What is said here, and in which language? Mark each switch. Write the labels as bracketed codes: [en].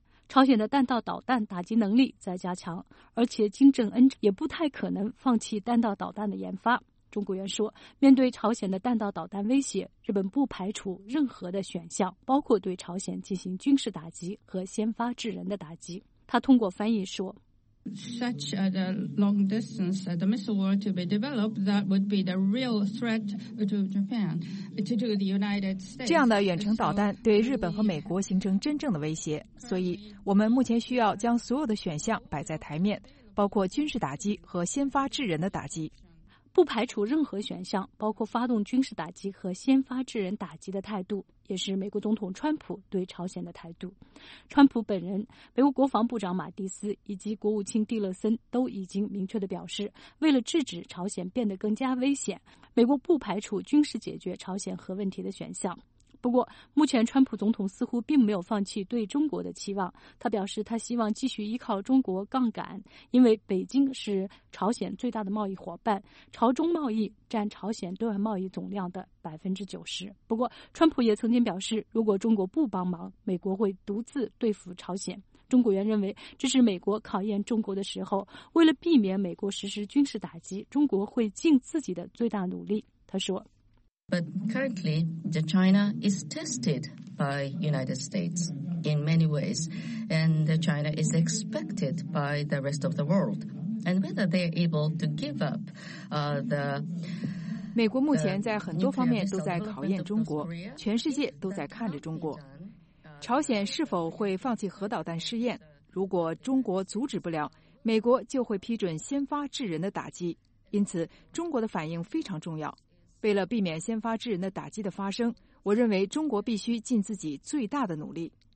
[zh] 朝鲜的弹道导弹打击能力在加强，而且金正恩也不太可能放弃弹道导弹的研发。中国元说，面对朝鲜的弹道导弹威胁，日本不排除任何的选项，包括对朝鲜进行军事打击和先发制人的打击。他通过翻译说， [en] Such a long distance the missile were to be developed, that would be the real threat to Japan, to the United States. [zh] 这样的远程导弹对日本和美国形成真正的威胁，所以我们目前需要将所有的选项摆在台面，包括军事打击和先发制人的打击。不排除任何选项，包括发动军事打击和先发制人打击的态度，也是美国总统川普对朝鲜的态度。川普本人、美国国防部长马蒂斯以及国务卿蒂勒森都已经明确地表示，为了制止朝鲜变得更加危险，美国不排除军事解决朝鲜核问题的选项。不过，目前川普总统似乎并没有放弃对中国的期望。他表示，他希望继续依靠中国杠杆，因为北京是朝鲜最大的贸易伙伴，朝中贸易占朝鲜对外贸易总量的90%。不过，川普也曾经表示，如果中国不帮忙，美国会独自对付朝鲜。中国元认为，这是美国考验中国的时候，为了避免美国实施军事打击，中国会尽自己的最大努力。他说， [en] But currently, China is tested by the United States in many ways, and China is expected by the rest of the world. And whether they are able to give up the [zh] 美国目前在很多方面都在考验中国，全世界都在看着中国。朝鲜是否会放弃核导弹试验？如果中国阻止不了，美国就会批准先发制人的打击。因此，中国的反应非常重要。为了避免先发制人的打击的发生，我认为中国必须尽自己最大的努力。